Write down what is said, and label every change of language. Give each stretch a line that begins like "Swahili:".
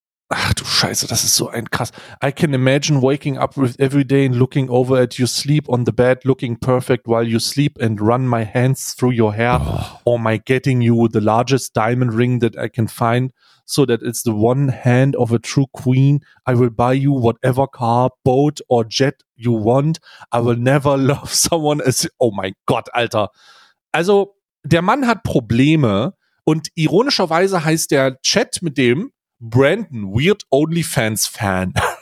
German: Ach du Scheiße, das ist so ein krass.
English: I can imagine waking up with every day and looking over at you sleep on the bed, looking perfect while you sleep and run my hands through your hair. Oh. Or my getting you the largest diamond ring that I can find so that it's the one hand of a true queen. I will buy you whatever car, boat or jet you want. I will never love someone as...
German: Oh mein Gott, Alter. Also, der Mann hat Probleme und ironischerweise heißt der Chat mit dem Brandon, weird OnlyFans Fan.